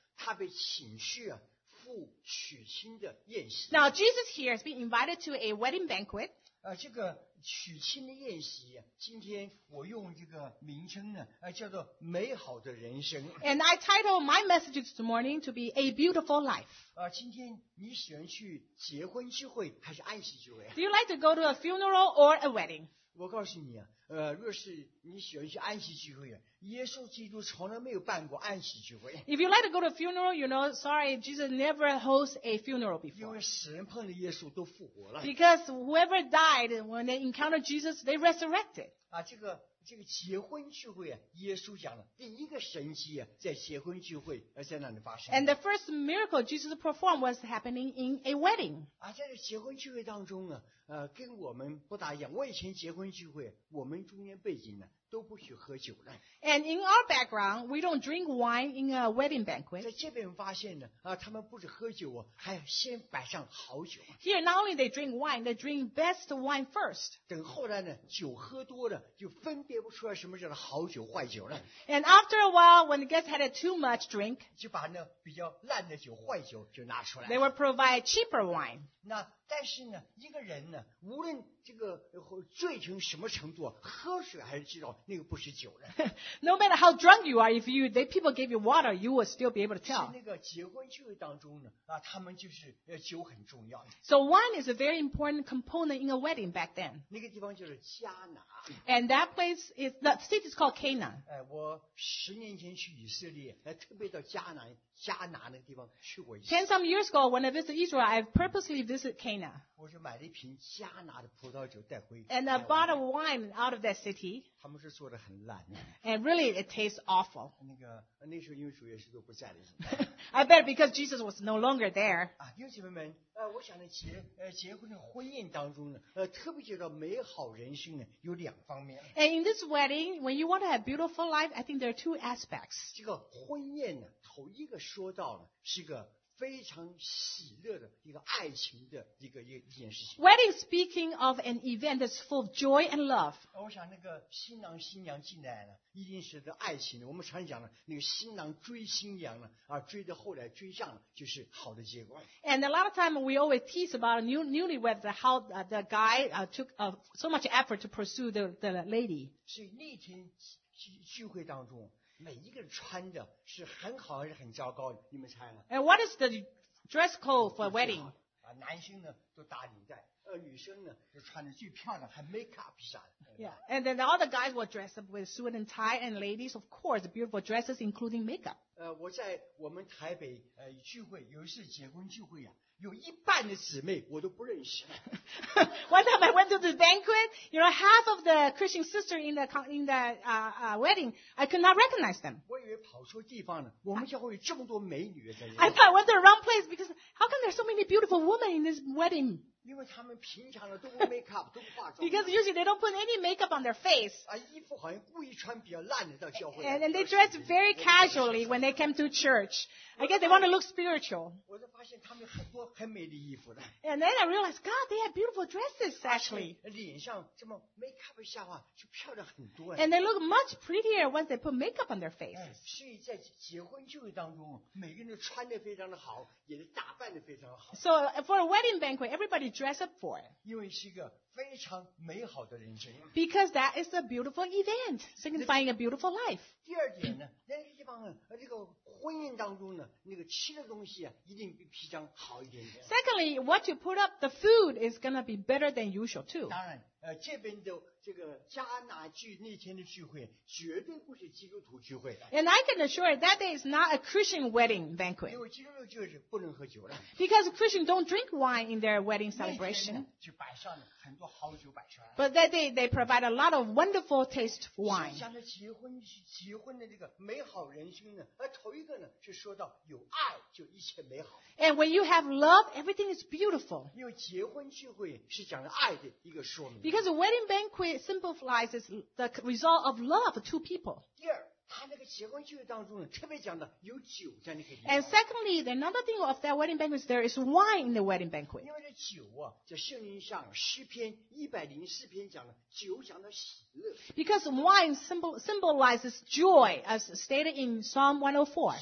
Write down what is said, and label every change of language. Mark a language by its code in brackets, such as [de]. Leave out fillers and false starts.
[zh] 他被请去啊赴娶亲的宴席。 [en] Now Jesus here has been invited to a wedding banquet. [zh] 这个娶亲的宴席，今天我用这个名称呢，叫做美好的人生。 [en] And I title my message this morning to be a beautiful life. [zh] 今天你喜欢去结婚聚会还是安息聚会 [en] ？Do you like to go to a funeral or a wedding? [zh] 我告诉你啊，若是你喜欢去安息聚会，耶稣基督从来没有办过安息聚会。 [en] If you like to go to a funeral, you know, sorry, Jesus never hosts a funeral before. [zh] 因为死人碰到耶稣都复活了。 [en] Because whoever died when they encountered Jesus, they resurrected. [zh] 这个结婚聚会啊，耶稣讲了第一个神迹啊，在结婚聚会在那里发生。 [en] And the first miracle Jesus performed was happening in a wedding. [zh] 在这结婚聚会当中啊，跟我们不大一样。我以前结婚聚会，我们中间背景呢。都不许喝酒了。 [en] And in our background, we don't drink wine in a wedding banquet. [zh] 在这边发现呢，他们不止喝酒啊，还先摆上好酒。 [en] Here, not only they drink wine, they drink best wine first. [zh] 等后来呢，酒喝多了，就分别不出来什么叫好酒坏酒了。 [en] And after a while, when the guests had too much drink, [zh] 就把那比较烂的酒、坏酒就拿出来。 [en] They would provide cheaper wine. [zh] 那但是呢，一个人呢，无论这个醉成什么程度，喝水还是知道那个不是酒了。 [en] No matter how drunk you are, if you they people gave you water, you will still be able to tell. [zh] 那个结婚聚会当中呢，他们就是酒很重要。 [en] So wine is a very important component in a wedding back then. [zh] 那个地方就是迦拿。 [en] And that place is the city is called Cana. [zh] 我十年前去以色列，特别到迦拿那个地方去过一次。 [en] Ten some years ago, when I visited Israel, I purposely visited Cana. [zh] 我就买了一瓶迦拿的葡萄酒带回。 [en] And I bought a wine out of that city. [zh] 他们是做的很烂。 [en] And really, it tastes awful. [zh] 那时候因为主耶稣都不在了。 [en] I bet because Jesus was no longer there. [zh] 弟兄姐妹们，我想在结婚的婚宴当中呢，特别觉得美好人生呢有两方面。 [en] And in this wedding, when you want to have beautiful life, I think there are two aspects. [zh] 这个婚宴呢，头一个说到了是个非常喜乐的一个爱情的一件事情。 [en] Wedding speaking of an event that's full of joy and love. [zh] 我想那个新郎新娘进来呢，一定是个爱情的。我们常讲的那个新郎追新娘呢，追到后来追上了，就是好的结果。 [en] And a lot of time we always tease about newlyweds how the guy took so much effort to pursue the lady. [zh] 所以那天聚会当中。每一个人穿的是很好还是很糟糕的，你们猜吗 [en] ？And what is the dress code for a wedding？ [zh] 男性呢都打领带，女生呢就穿着最漂亮，还 makeup 一下。 [en] Yeah， and then all the guys were dressed up with suit and tie， and ladies of course beautiful dresses including makeup。 [zh] 我在我们台北聚会，有一次结婚聚会呀、啊。有一半的姊妹我都不认识。 [en] One time I went to the banquet, you know, half of the Christian sister in the wedding, I could not recognize them. [zh] 我以为跑错地方了，我们教会有这么多美女在这里。 [en] I thought I went to the wrong place because how come there's so many beautiful women in this wedding? [zh] 因为他们平常的都不 makeup 都不化妆。 [en] Because usually they don't put any makeup on their face. [zh] 衣服好像故意穿比较烂的到教会。 [en] And they dress very casually when they came to church. I guess they want to look spiritual. [zh] 我就发现他们很多很美的衣服的。 [en] And then I realized, God, they have beautiful dresses actually. [zh] 脸上这么 makeup 下啊，就漂亮很多。 [en] And they look much prettier once they put makeup on their face. [zh] 所以在结婚聚会当中，每个人都穿得非常的好，也是打扮得非常好。 [en] So for a wedding banquet, everybody dress up for it. [zh] 因为是一个非常美好的人生。 [en] Because that is a beautiful event, signifying a beautiful life. [zh] 第二点呢，在那个地方啊，这个。婚姻当中呢，那个吃的东西啊，一定比平常好一点点。 [en] Secondly, what you put up, the food is gonna be better than usual too. [zh] 当然，这边的这个迦拿聚那天的聚会，绝对不是基督徒聚会的。 [en] And I can assure you, that day is not a Christian wedding banquet. [zh] 因为基督徒聚会是不能喝酒的。 [en] Because Christians don't drink wine in their wedding celebration. [zh] 那天呢，就摆上了很多好酒摆出来。 [en] But that day they provide a lot of wonderful taste for wine. [zh] 想着结婚的这个美好人生呢，头一个。是说到有爱就一切美好。 [en] And when you have love, everything is beautiful. [zh] 因为结婚聚会是讲爱的一个说明。 [en] Because a wedding banquet symbolizes the result of love to people. [zh] 第二，他那个结婚聚会当中呢，特别讲的有酒在那个地方。 [en] And secondly, another thing of that wedding banquet is there is wine in the wedding banquet. [zh] 因为这酒啊，在圣经上诗篇104篇讲的酒讲的喜。 [en] Because wine symbolizes joy, as stated in Psalm 104.